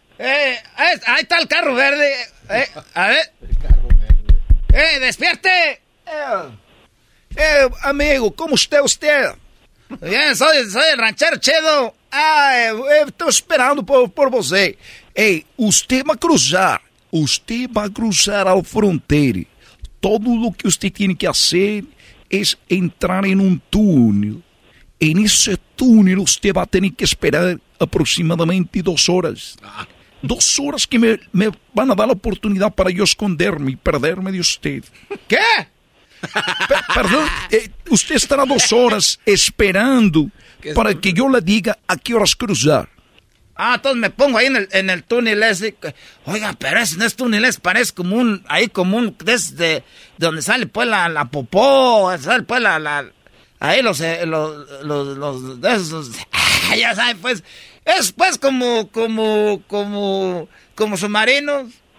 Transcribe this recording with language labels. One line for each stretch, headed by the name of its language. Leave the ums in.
Spanish: Eh, eh, ahí, está, el carro verde. Eh, a ver. El carro verde. ¡Eh, despierte! Eh, amigo, ¿cómo está usted? usted? Bien, soy, soy el ranchero chido Ah, estoy esperando por, por usted. Eh, usted va a cruzar.
Portuguese: Você vai cruzar a fronteira. Todo o que você tem que fazer é entrar em en um túnel. Em esse túnel você vai ter que esperar aproximadamente duas horas. Ah. Duas horas que me, me vão dar a oportunidade para eu esconder-me e perder-me de você. Quê? Per perdão, você estará duas horas esperando que para que eu lhe diga a que horas cruzar. Ah,
Spanish: entonces me pongo ahí en el, en el, túnel ese. Oiga, pero ese no es túnel, ese parece como un, ahí como un, desde de donde sale pues la, la, popó, sale pues la, la ahí los, los, los, los esos. Ah, ya sabe pues, es pues como, como, como, como submarinos.